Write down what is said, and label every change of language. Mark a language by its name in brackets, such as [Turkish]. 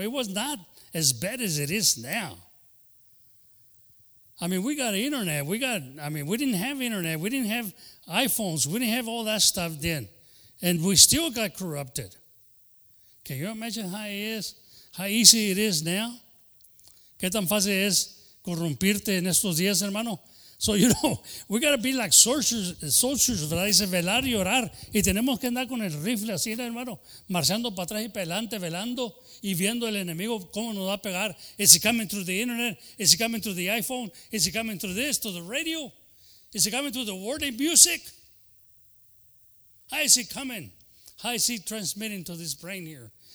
[English] It was not as bad as it is now. I mean, we got internet. We didn't have internet. We didn't have iPhones. We didn't have all that stuff then. And we still got corrupted. Can you imagine how easy it is now? [Spanish] ¿Qué tan fácil es corrompirte en estos días, hermano? [English] So, you know, we got to be like soldiers, [Spanish] ¿verdad? Dice, velar y orar. Y tenemos que andar con el rifle así, hermano, marchando para atrás y para adelante, velando y viendo el enemigo cómo nos va a pegar. [English] Is he coming through the internet? Is he coming through the iPhone? Is he coming through this, to the radio? Is he coming through the word and music? How is he coming? How is he transmitting to this brain here?